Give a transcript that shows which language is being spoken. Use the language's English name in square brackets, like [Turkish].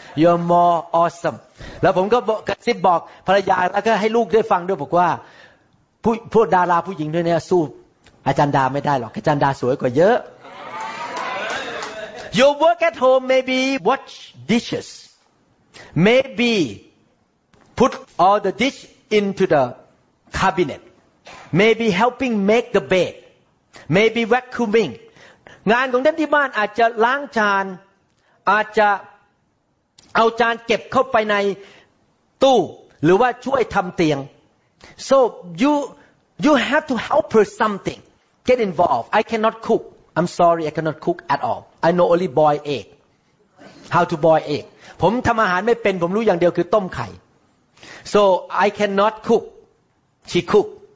[English] You are more awesome. [Thai] แล้วผมก็กระซิบบอกภรรยาแล้วก็ให้ลูกได้ฟังด้วยบอกว่าพวกดาราผู้หญิงด้วยเนี่ยสู้อาจารย์ดาไม่ได้หรอกอาจารย์ดาสวยกว่าเยอะ [English] Your work at home maybe wash dishes. Maybe put all the dish into the cabinet. Maybe helping make the bed. Maybe vacuuming. [Thai] งานของท่านที่บ้านอาจจะล้างจานอาจจะเอาจานเก็บเข้าไปในตู้หรือว่าช่วยทำเตียง [English] so you have to help her something get involved I cannot cook I'm sorry I cannot cook at all I know only boil egg how to boil egg [Thai] ผมทำอาหารไม่เป็นผมรู้อย่างเดียวคือต้มไข่ [English] so I cannot cook she cook